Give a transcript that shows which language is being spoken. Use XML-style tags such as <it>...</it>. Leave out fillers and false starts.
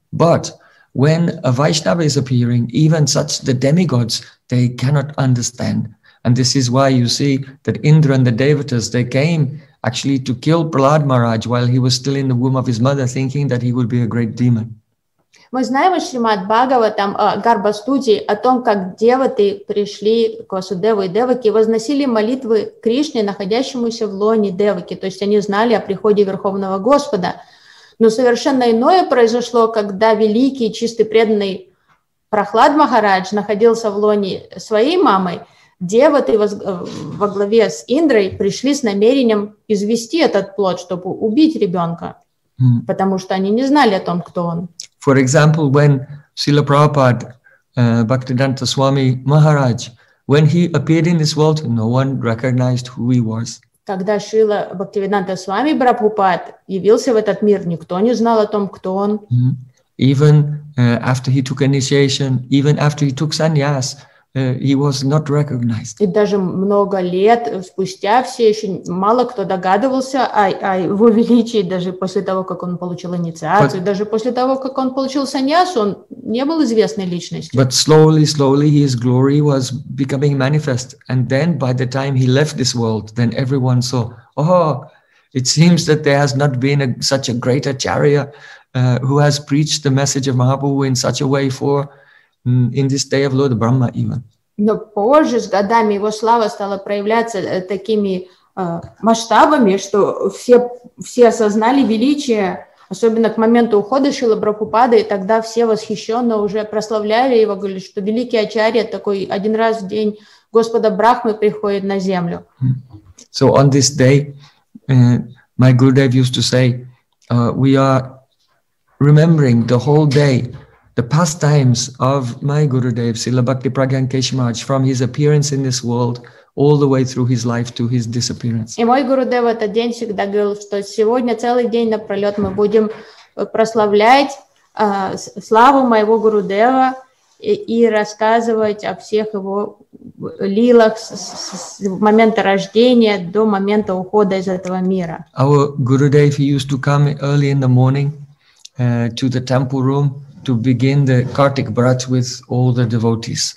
<en>But when a Vaishnava is appearing, even such the demigods, they cannot understand. And this is why you see that Indra and the Devatas, they came actually to kill Prahlad Maharaj while he was still in the womb of his mother, thinking that he would be a great demon.</en> <ru>Мы знаем о Шримад Бхагаватам, о Гарбастуте, о том, как деваты пришли к Васудеву и Деваке, возносили молитвы Кришне, находящемуся в лоне Деваки. То есть они знали о приходе Верховного Господа. Но совершенно иное произошло, когда великий, чистый, преданный Прахлад Махарадж находился в лоне своей мамы. Деваты во главе с Индрой пришли с намерением извести этот плод, чтобы убить ребенка, потому что они не знали о том, кто он.</ru> <en>For example, when Srila Prabhupada, Bhaktivedanta Swami Maharaj, when he appeared in this world, no one recognized who he was.</en> <ru>Когда Шрила Бхактивиданта Свами Брахмапад явился в этот мир, никто не знал о том, кто он.</ru> <en>Even after he took initiation, even after he took sannyas, he was not recognized.</en> <ru>И даже много лет спустя все еще мало кто догадывался о его величии, даже после того, как он получил инициацию, даже после того, как он получил саньясу, он не был известной личностью.</ru> <en>But slowly, slowly his glory was becoming manifest. And then by the time he left this world, then everyone saw, oh, it seems that there has not been such a great acharya who has preached the message of Mahaprabhu in such a way for in this day of Lord Brahma even.</en> <ru>Но позже, с годами, его слава стала проявляться такими масштабами, что все осознали величие, особенно к моменту ухода Шрилы Прабхупады, и тогда все восхищенно уже прославляли его, говорили, что великий ачарья такой один раз в день Господа Брахмы приходит на землю.</ru> <en>So on this day, my Gurudev used to say, we are remembering the whole day the pastimes of my Gurudev, Srila Bhakti Pragyan Keshi Maharaj, from his appearance in this world all the way through his life to his disappearance.</en> <ru>И мой Гурудев в этот день всегда говорил, что сегодня целый день напролет мы будем прославлять славу моего Гурудева и рассказывать о всех его лилах с момента рождения до момента ухода из этого мира.</ru> <en>Our Gurudev, he used to come early in the morning to the temple room to begin the Kartik-Vrata with all the devotees.</en>